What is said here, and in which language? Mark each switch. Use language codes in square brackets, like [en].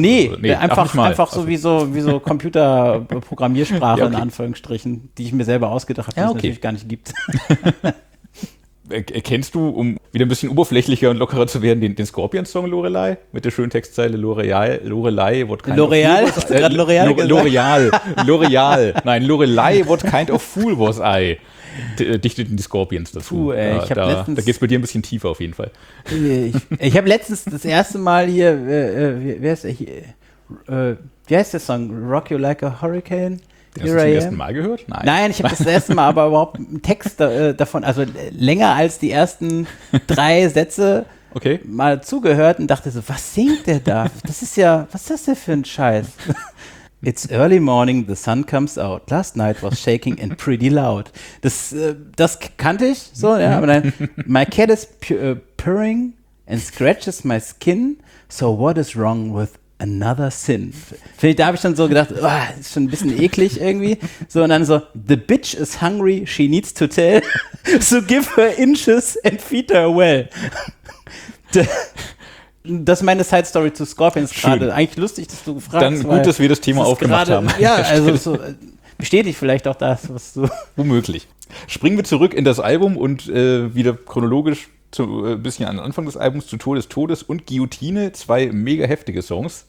[de] Nee, einfach so wie so Computerprogrammiersprache, ja, okay, in Anführungsstrichen, die ich mir selber ausgedacht habe, die es natürlich gar nicht gibt. Kennst du, um wieder ein bisschen oberflächlicher und lockerer zu werden, den Scorpions-Song Lorelei mit der schönen Textzeile Lorelei, [en] what kind L'Oreal? Of fool was I? L'Oreal? L'Oreal. L'Oreal. [de] Nein, [en] Lorelei, what kind of fool was I? [de] Dichteten die Scorpions dazu. Puh, ey, da geht es bei dir ein bisschen tiefer auf jeden Fall. Ich habe letztens das erste Mal hier, wie heißt der Song? [en] Rock You Like a Hurricane? [de] Den hast du zum ersten Mal gehört? Nein, ich habe das erste Mal aber überhaupt einen Text davon, also länger als die ersten drei Sätze mal zugehört und dachte so, was singt der da? Das ist ja, was ist das denn für ein Scheiß? [en] It's early morning, the sun comes out. Last night was shaking and pretty loud. [de] Das kannte ich so, ja, aber dann, [en] my cat is purring and scratches my skin, so what is wrong with another sin. [de] Vielleicht, da habe ich dann so gedacht, oh, ist schon ein bisschen eklig irgendwie. So, und dann so, [en] the bitch is hungry, she needs to tell, so give her inches and feed her well. [de] Das ist meine Side Story zu Scorpions gerade. Eigentlich lustig, dass du fragst. Dann gut, dass wir das Thema aufgemacht haben. Ja, also so, bestätigt vielleicht auch das, was du. Womöglich. Springen wir zurück in das Album und wieder chronologisch. Ein bisschen an den Anfang des Albums, zu Tod des Todes und Guillotine, zwei mega heftige Songs.